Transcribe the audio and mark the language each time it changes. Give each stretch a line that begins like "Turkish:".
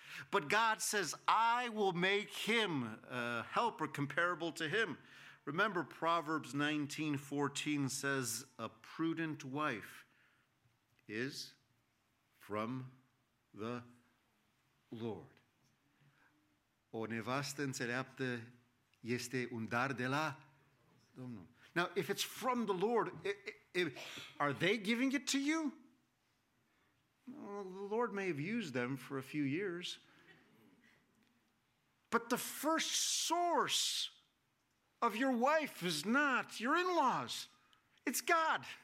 English: But God says, I will make him a helper comparable to him. Remember, Proverbs 19:14 says, a prudent wife is from the Lord.
Romanian: O nevastă înțeleaptă este un dar de la Domnul.
English: Now, if it's from the Lord, are they giving it to you? Well, the Lord may have used them for a few years. But the first source of your wife is not your in-laws. It's God.